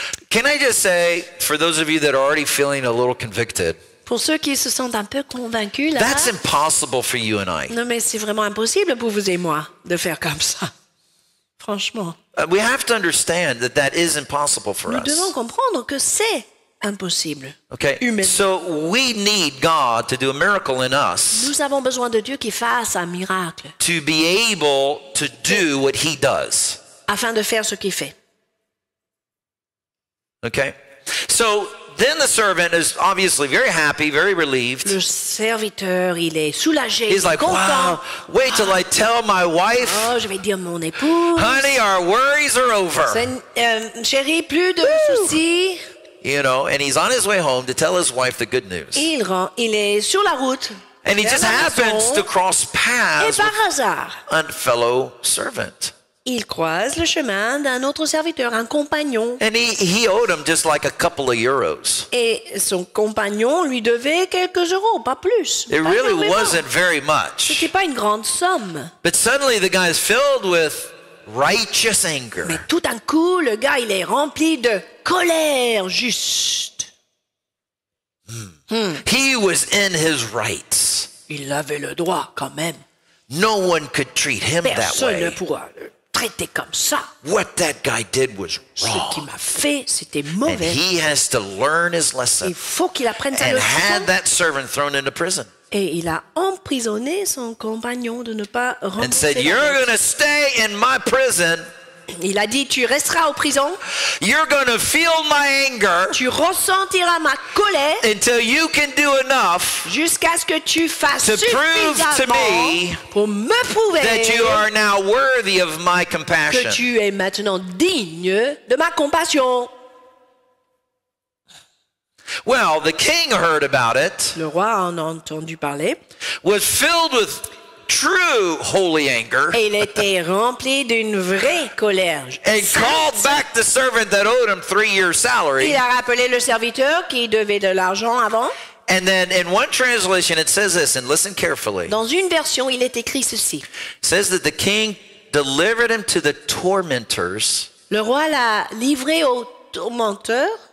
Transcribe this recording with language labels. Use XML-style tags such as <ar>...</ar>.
<en>Can I just say, for those of you that are already feeling a little convicted,</en> <fr>pour ceux qui se sentent un peu convaincus, là,</fr> <en>that's impossible for you and I.</en> <fr>Non, mais c'est vraiment impossible pour vous et moi de faire comme ça. Franchement.</fr> <en>We have to understand that that is impossible for</en> <fr>nous</fr> <en>us.</en> <fr>Nous devons comprendre que c'est impossible.</fr> <en>Okay.</en> <fr>Humain.</fr> <en>So we need God to do a miracle in us.</en> <fr>Nous avons besoin de Dieu qui fasse un miracle.</fr> <en>To be able to do what he does.</en> <fr>Afin de faire ce qu'il fait.</fr> <en>Okay. So then the servant is obviously very happy, very relieved.</en> <fr>Le serviteur, il est soulagé,</fr> <en>he's like,</en> <fr>content.</fr> <en>Wow, wait till I tell my wife.</en> <fr>Oh, je vais dire mon épouse.</fr> <en>Honey, our worries are over.</en> <fr>Chérie, plus de Woo! Soucis.</fr> <en>You know, and he's on his way home to tell his wife the good news.</en> <fr>Il est sur la route.</fr> <en>And he just happens to cross paths</en> <fr>with hasard,</fr> <en>a fellow servant.</en> <fr>Il croise le chemin d'un autre serviteur, un compagnon.</fr> <en>And he owed him just like a couple of euros.</en> <fr>Et son compagnon lui devait quelques euros, pas plus.</fr> <en>It really wasn't very much.</en> <fr>C'était pas une grande somme.</fr> <en>But suddenly the guy is filled with righteous anger.</en> <fr>Mais tout d'un coup, le gars, il est rempli de colère juste.</fr> <en>He was in his rights.</en> <fr>Il avait le droit quand même.</fr> <en>No one could treat him</en> <fr>Personne</fr> <en>that way.</en> <fr>Personne ne pourra le traiter comme ça.</fr> <en>What that guy did was wrong.</en> <fr>Ce qu'il m'a fait, c'était mauvais.</fr> <en>And he has to learn his lesson.</en> <fr>Il faut qu'il apprenne sa leçon.</fr> <en>And had that servant thrown into prison.</en> <fr>Et il a emprisonné son compagnon de ne pas rembourser.</fr> <en>And said, "You're going to stay in my prison."</en> <fr>Il a dit, tu resteras en prison.</fr> <en>You're going to feel my anger.</en> <fr>Tu ressentiras ma colère.</fr> <en>Until you can do enough.</en> <fr>Jusqu'à ce que tu fasses suffisamment</fr> <en>to me</en> <fr>pour me prouver</fr> <en>that you are now worthy of my compassion.</en> <fr>Que tu es maintenant digne de ma compassion.</fr> <en>Well, the king heard about it.</en> <fr>Le roi en a entendu parler.</fr> <en>Was filled with true holy anger.</en> <fr>Et il était rempli d'une vraie colère.</fr> <en>And called back the servant that owed him 3 years' salary.</en> <fr>Il a rappelé le serviteur qui devait de l'argent avant.</fr> <en>And then in one translation it says this, and listen carefully.</en> <fr>Dans une version, il est écrit ceci.</fr> <en>Says that the king delivered him to the tormentors.</en> <fr>Le roi l'a livré aux tourmenteurs.</fr>